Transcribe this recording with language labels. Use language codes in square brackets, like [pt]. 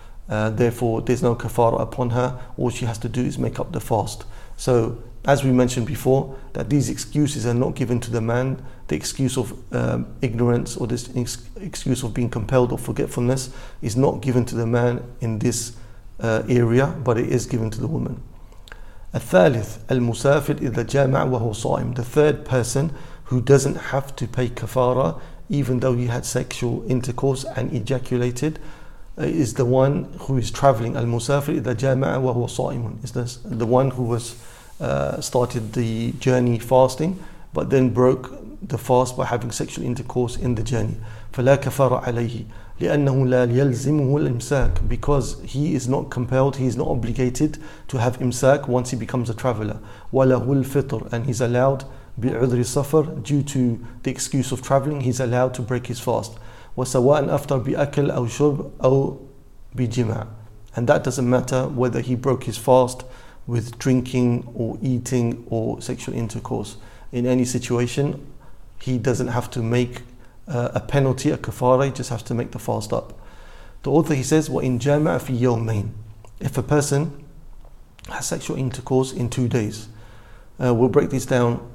[en] Therefore, there's no kafara upon her. All she has to do is make up the fast. So, as we mentioned before, that these excuses are not given to the man, the excuse of ignorance or this excuse of being compelled or forgetfulness is not given to the man in this area, but it is given to the woman. [ar] الثالث المسافر إذا جامع وهو صائم. [en] The third person who doesn't have to pay kafara even though he had sexual intercourse and ejaculated is the one who is traveling. [ar] المسافر إذا جامع وهو صائم [en] is the one who was started the journey fasting but then broke the fast by having sexual intercourse in the journey. [ar] فلا كفارة عليه لأنه لا يلزمه الإمساك. [en] Because he is not compelled, he is not obligated to have إمساك once he becomes a traveler. [ar] وله الفطر. [en] And he's allowed [ar] بعذر السفر, [en] due to the excuse of traveling, he's allowed to break his fast. [ar] وسواء أفطر بأكل أو شرب أو بجماع. [en] And that doesn't matter whether he broke his fast with drinking or eating or sexual intercourse. In any situation, he doesn't have to make a penalty, a kafara, he just has to make the fast up. The author, he says, [ar] وَإِن جَامَعَ فِي يَوْمَيْنِ. [en] If a person has sexual intercourse in 2 days, we'll break this down